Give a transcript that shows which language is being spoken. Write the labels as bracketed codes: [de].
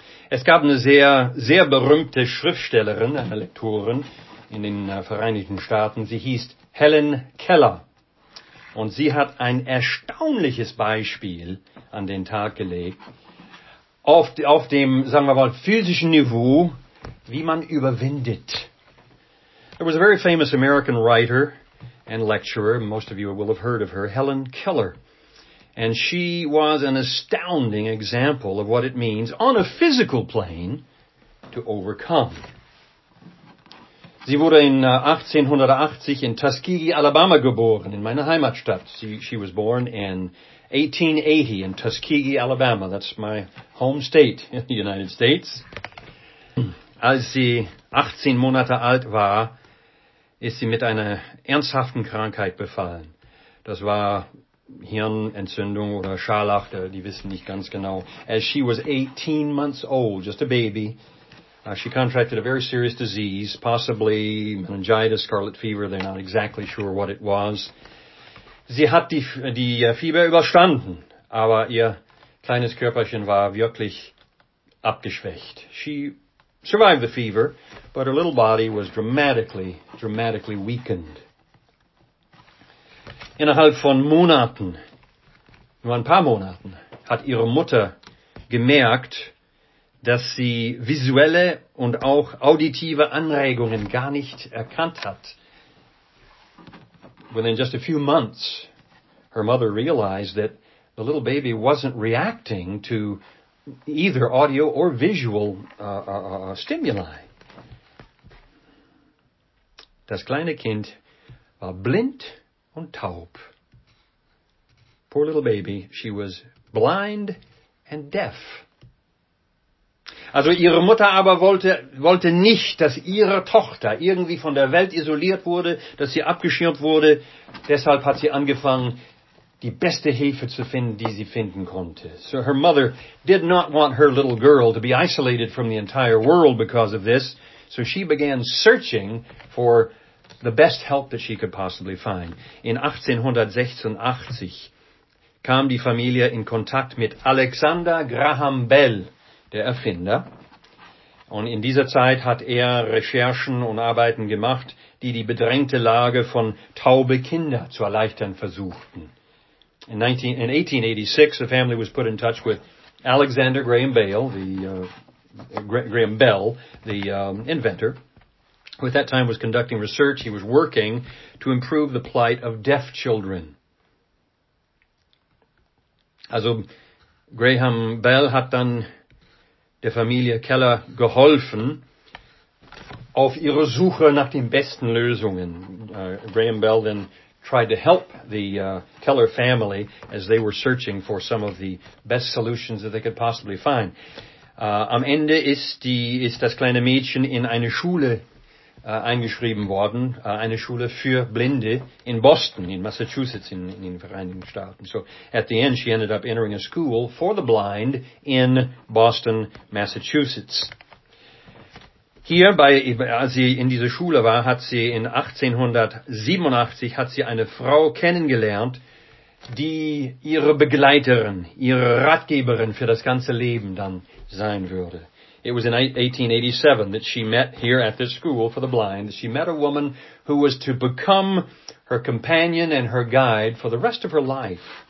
[de] Es gab eine sehr, sehr berühmte Schriftstellerin, eine Lektorin in den Vereinigten Staaten. Sie hieß Helen Keller. Und sie hat ein erstaunliches Beispiel an den Tag gelegt, auf dem, sagen wir mal, physischen Niveau, wie man überwindet. [en] There was a very famous American writer and lecturer, most of you will have heard of her, Helen Keller. And she was an astounding example of what it means on a physical plane to overcome. [de] Sie wurde in 1880 in Tuskegee, Alabama geboren, in meiner Heimatstadt. [en] She was born in 1880 in Tuskegee, Alabama. That's my home state in the United States. [de] Als sie 18 Monate alt war, ist sie mit einer ernsthaften Krankheit befallen. Das war Hirnentzündung oder Scharlach, die wissen nicht ganz genau. [en] As she was 18 months old, just a baby, she contracted a very serious disease, possibly meningitis, scarlet fever, they're not exactly sure what it was. [de] Sie hat die Fieber überstanden, aber ihr kleines Körperchen war wirklich abgeschwächt. [en] She survived the fever, but her little body was dramatically weakened. [de] Innerhalb von Monaten, nur ein paar Monaten, hat ihre Mutter gemerkt, dass sie visuelle und auch auditive Anregungen gar nicht erkannt hat. [en] Within just a few months, her mother realized that the little baby wasn't reacting to either audio or visual stimuli. [de] Das kleine Kind war blind und taub. [en] Poor little baby, she was blind and deaf. [de] Also ihre Mutter aber wollte nicht, dass ihre Tochter irgendwie von der Welt isoliert wurde, dass sie abgeschirmt wurde. Deshalb hat sie angefangen, die beste Hilfe zu finden, die sie finden konnte. [en] So her mother did not want her little girl to be isolated from the entire world because of this. So she began searching for the best help that she could possibly find. [de] In 1886 kam die Familie in Kontakt mit Alexander Graham Bell, der Erfinder. Und in dieser Zeit hat er Recherchen und Arbeiten gemacht, die bedrängte Lage von taube Kinder zu erleichtern versuchten. [en] In 1886, the family was put in touch with Alexander Graham Bell, inventor, who at that time was conducting research. He was working to improve the plight of deaf children. [de] Also, Graham Bell hat dann der Familie Keller geholfen auf ihrer Suche nach den besten Lösungen. [en] Graham Bell then tried to help the Keller family as they were searching for some of the best solutions that they could possibly find. [de] Am Ende ist das kleine Mädchen in eine Schule eingeschrieben worden, eine Schule für Blinde in Boston, in Massachusetts, in den Vereinigten Staaten. [en] So at the end, she ended up entering a school for the blind in Boston, Massachusetts. [de] Hier, als sie in dieser Schule war, hat sie in 1887 eine Frau kennengelernt, die ihre Begleiterin, ihre Ratgeberin für das ganze Leben dann sein würde. [en] It was in 1887 that she met here at this school for the blind. She met a woman who was to become her companion and her guide for the rest of her life.